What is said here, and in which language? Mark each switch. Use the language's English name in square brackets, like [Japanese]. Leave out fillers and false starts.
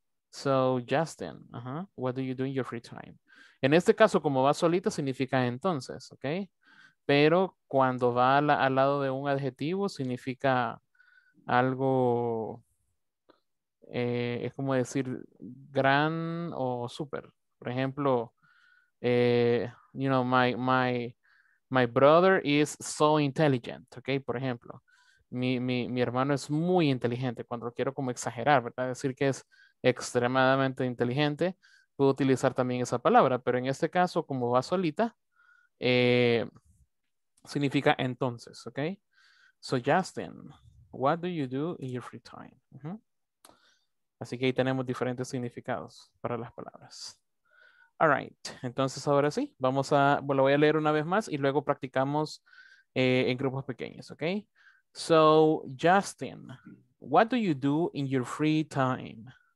[English] So, Justin, what do you do in your free time? [Spanish] En este caso, como va solita, significa entonces, ¿ok? Pero cuando va al lado de un adjetivo, significa algo, es como decir, gran o super. Por ejemplo, [English] my brother is so intelligent, [Spanish] ¿ok? Por ejemplo, mi hermano es muy inteligente. Cuando lo quiero como exagerar, ¿verdad? Decir que es extremadamente inteligente, puedo utilizar también esa palabra. Pero en este caso, como va solita, significa entonces, ¿ok? [English] So, Justin, what do you do in your free time? [Spanish] Así que ahí tenemos diferentes significados para las palabras. [English] All right. [Spanish] Entonces, ahora sí, lo voy a leer una vez más y luego practicamos en grupos pequeños, ¿ok? [English] So, Justin, what do you do in your free time?